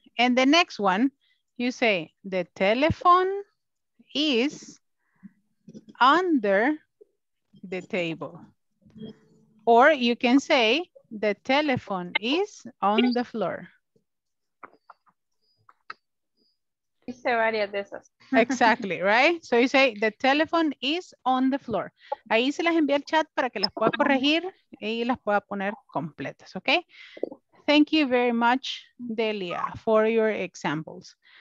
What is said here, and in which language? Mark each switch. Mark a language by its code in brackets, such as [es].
[en] And the next one, you say the telephone is under the table, or you can say the telephone is on the floor. [es] Hice varias de esas. [en] Exactly, right? So you say the telephone is on the floor. [es] Ahí se las envía el chat para que las pueda corregir y las pueda poner completas, okay? [en] Thank you very much, Delia, for your examples.